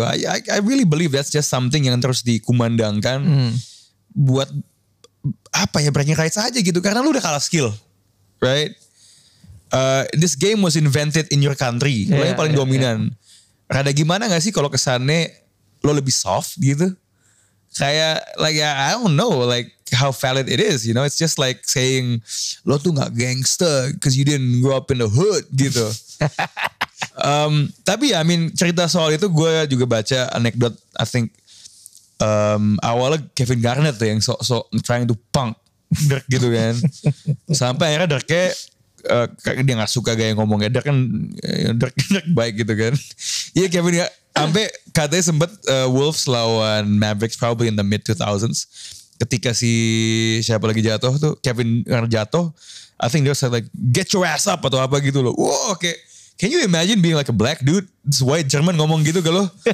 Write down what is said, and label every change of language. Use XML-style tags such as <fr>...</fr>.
<en>I really believe that's just something</en> <id>yang terus dikumandangkan buat apa ya,</id> <en>bragging rights</en> <id>aja gitu karena lu udah kalah</id> <en>skill, right? This game was invented in your country,</en> <id>lu yang paling dominan.</id> <en>Yeah.</en> <id>Rada gimana nggak sih kalau kesannya lu lebih soft gitu? Kayak</id> <en>like I don't know like how valid it is, you know? It's just like saying</en> <id>lu tuh nggak gangster</id> <en>because you didn't grow up in the hood</en> <id>gitu. tapi ya,</id> <en>I mean</en> <id>cerita soal itu gue juga baca anekdot,</id> <en>I think.</en> <id>Awalnya Kevin Garnett tuh yang sok-sok</id> <en>trying to punk</en> <id>Dirk gitu kan. Sampai akhirnya Dirk-nya dia gak suka gaya ngomongnya. Dirk kan Dirk baik gitu kan. Iya Kevin gak. Sampai katanya sempet Wolves lawan Mavericks</id> <en>probably in the mid 2000s.</en> <id>Ketika si siapa lagi jatuh tuh, Kevin Garnett jatuh.</id> <en>I think Dirk said like, get your ass up</en> <id>atau apa gitu loh. Wow, oke.</id> <en>Okay. Can you imagine being like a black dude, this white German</en> <id>ngomong gitu ke lo?</id>